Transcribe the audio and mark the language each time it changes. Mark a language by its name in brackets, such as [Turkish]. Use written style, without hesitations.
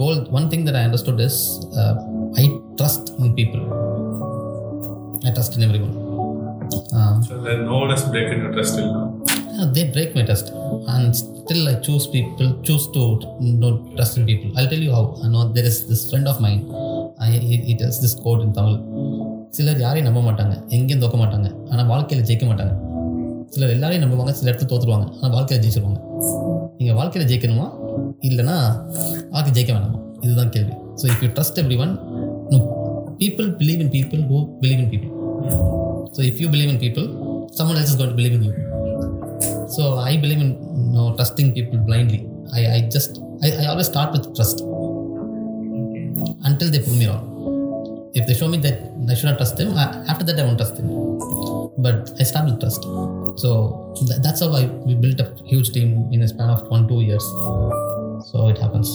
[English] One thing that I understood is I trust in people. I trust in everyone. So then no one has broken your trust till now. They break my trust, and still I choose to not trust in people. I'll tell you how. I know there is this friend of mine. He tells this quote in Tamil. [Tamil] சிலர் யாரையும் நம்ப மாட்டாங்க, எங்கேயும் தோக்க மாட்டாங்க, ஆனால் வாழ்க்கையில் ஜெயிக்க மாட்டாங்க. சிலர் எல்லாரையும் நம்புவாங்க, சில இடத்துல தோற்றுருவாங்க, ஆனால் வாழ்க்கையில் ஜெயிச்சிருவாங்க. நீங்கள் வாழ்க்கையில் ஜெயிக்கணுமா இல்லைன்னா வாழ்க்கை ஜெயிக்க வேணாமா, இதுதான் கேள்வி. [English] So if you trust everyone, people believe in people who believe in people. So if you believe in people, someone else is going to believe in you. So I believe in trusting people blindly. I always start with trust until they prove me wrong. If they show me that I should not trust them, after that I won't trust them. But I start with trust. So that's how we built a huge team in a span of 1-2 years. So it happens.